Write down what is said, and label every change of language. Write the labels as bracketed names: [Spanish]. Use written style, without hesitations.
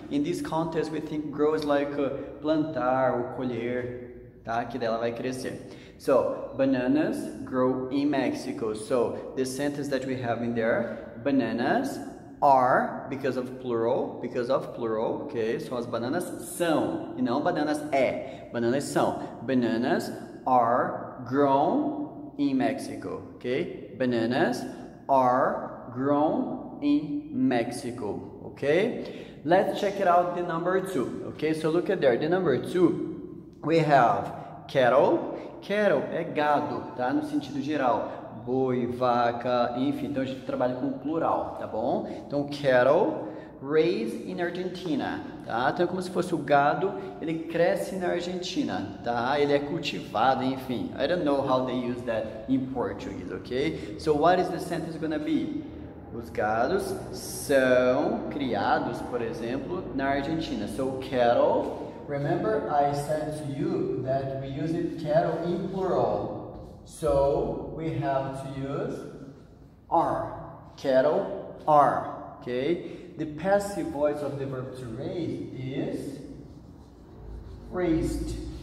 [English] In this context, we think grow is like [Portuguese] plantar ou colher, tá? Que dela vai crescer. [English] So, bananas grow in Mexico. So, the sentence that we have in there, bananas are, because of plural, okay? [Portuguese] So, as bananas são, e não bananas é. Bananas são. [English] Bananas are grown in Mexico, okay? Bananas are grown in Mexico, okay? Let's check it out, the number two, okay? So look at there, the number two, we have cattle. [Portuguese] Cattle é gado, tá? No sentido geral, boi, vaca, enfim, então a gente trabalha com plural, tá bom? Então cattle, [English] raised in Argentina, [Portuguese] tá? Então é como se fosse o gado, ele cresce na Argentina, tá? Ele é cultivado, enfim. [English] I don't know how they use that in Portuguese, okay? So what is the sentence gonna be? [Portuguese] Os gados são criados, por exemplo, na Argentina. [English] So cattle, remember I said to you that we use it cattle in plural. So we have to use are. Cattle are, okay? The passive voice of the verb to raise is raised.